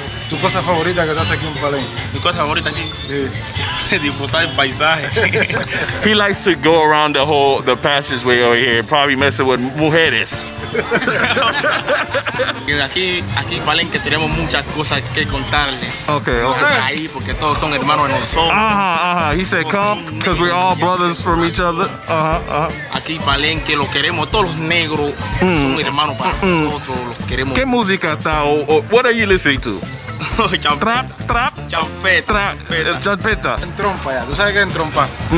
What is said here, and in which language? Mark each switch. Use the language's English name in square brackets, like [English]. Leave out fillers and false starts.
[Spanish] Tu cosa favorita que estás aquí en Palenque. Mi cosa favorita aquí. Disfrutar el paisaje. [English] He likes to go around the passageway over here, probably messing with mujeres. [Spanish] aquí en Palenque tenemos muchas cosas que contarle. [English] Okay. [Spanish] Por ahí porque todos son hermanos de nosotros. [English] He said come because we're all brothers from each other. [Spanish] Aquí en Palenque lo queremos todos los negros. Son hermanos para nosotros, los queremos. ¿Qué música está o [English] what are you listening to? Trap, [Spanish] champeta. Champeta. En trompa ya, tú sabes que es en trompa.